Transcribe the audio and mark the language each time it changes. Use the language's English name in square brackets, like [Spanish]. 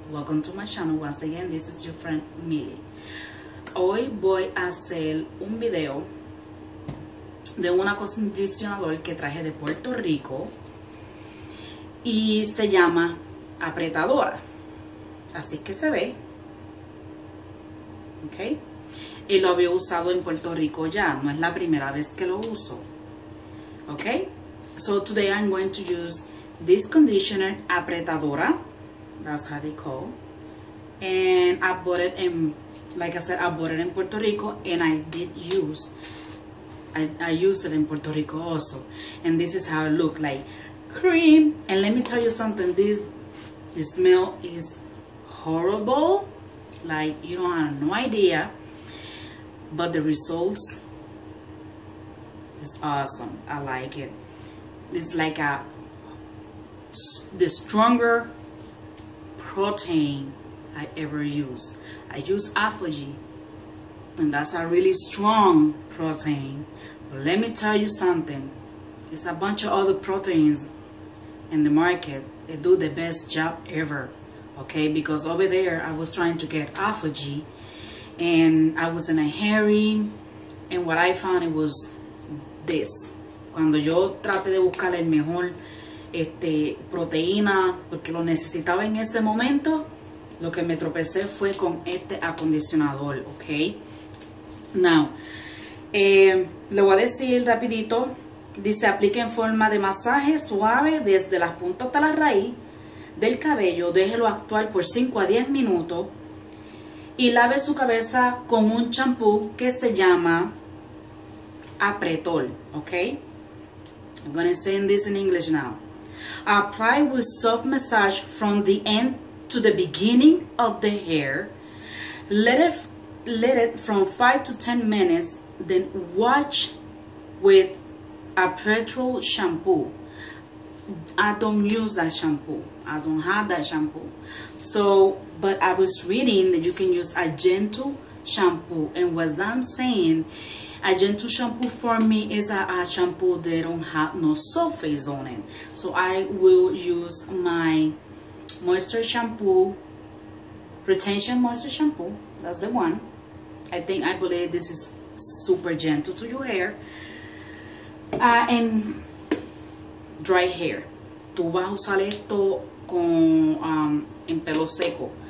[Spanish] Welcome to my channel once again. This is your friend Millie. Hoy voy a hacer un video de un acondicionador que traje de Puerto Rico y se llama apretadora. Así que se ve. Ok. Y lo había usado en Puerto Rico ya. No es la primera vez que lo uso. Ok. [English] So today I'm going to use this conditioner apretadora, that's how they call, and I bought it in, like I said, I bought it in Puerto Rico, and I used it in Puerto Rico also, and this is how it looked like, cream, and let me tell you something, this smell is horrible, like you don't have no idea, but the results is awesome, I like it. It's like the stronger protein I ever use. I use Afogy, and that's a really strong protein. But let me tell you something. It's a bunch of other proteins in the market. They do the best job ever, okay? Because over there, I was trying to get Afogy, and I was in a hurry, and what I found it was this. [Spanish] Cuando yo traté de buscar el mejor proteína, porque lo necesitaba en ese momento, lo que me tropecé fue con este acondicionador, ¿ok? Now, le voy a decir rapidito, dice, aplique en forma de masaje suave desde las puntas hasta la raíz del cabello, déjelo actuar por 5 a 10 minutos y lave su cabeza con un champú que se llama Apretol, ¿ok? [English] I'm gonna say this in English now. Apply with soft massage from the end to the beginning of the hair. Let it from 5 to 10 minutes. Then wash with a petrol shampoo. I don't use that shampoo. I don't have that shampoo. So, but I was reading that you can use a gentle shampoo. And what I'm saying, a gentle shampoo for me is a shampoo that don't have no sulfates on it. So I will use my moisture shampoo, retention moisture shampoo. That's the one. I believe this is super gentle to your hair. And dry hair. [Spanish] Tú vas a usar esto con en pelo seco.